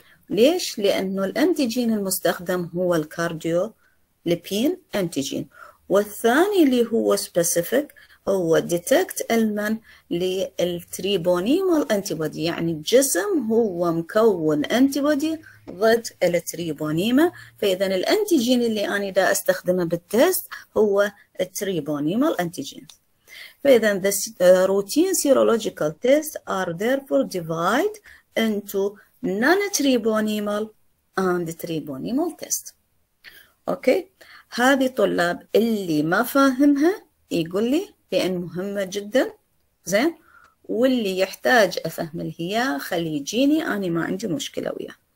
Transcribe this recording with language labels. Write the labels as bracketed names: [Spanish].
[Arabic] ليش؟ لانه الانتيجين المستخدم هو الكارديو لبين انتيجين، والثاني اللي هو سبيسيفيك هو ديتكت المن للتريبونيمال انتي بودي، يعني الجسم هو مكون انتي بودي ضد التريبونيما. فاذا الانتيجين اللي انا دا استخدمه بالتست هو التريبونيمال انتيجين. [English] فاذا the routine serological tests are therefore divided into non-treponemal and treponemal test. [Arabic] اوكي، هذه طلاب اللي ما فاهمها يقول لي لان مهمه جدا، زين، واللي يحتاج افهم هي خلي يجيني انا ما عندي مشكله وياه.